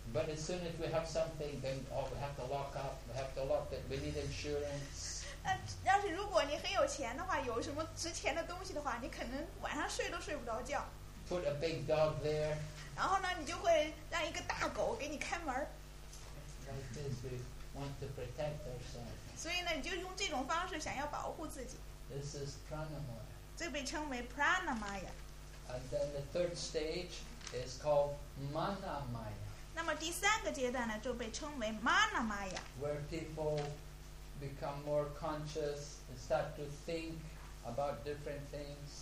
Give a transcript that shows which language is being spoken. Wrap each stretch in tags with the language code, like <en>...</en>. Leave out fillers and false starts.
<en>But as soon as we have something, then we have to lock up. We have to lock it. We need insurance.</en> <zh>那要是如果你很有钱的话，有什么值钱的东西的话，你可能晚上睡都睡不着觉。</zh> <en>Put a big dog there.</en> <zh>然后呢，你就会让一个大狗给你看门。</zh> <en>Like this, we want to protect ourselves.</en> <zh>所以呢，你就用这种方式想要保护自己。</zh> <en>This is pranamaya.</en> <zh>这被称为 pranamaya.</zh> <en>And then the third stage is called manamaya.</en> <zh>那么第三个阶段呢，就被称为 manamaya.</zh> <en>Where people become more conscious and start to think about different things.</en>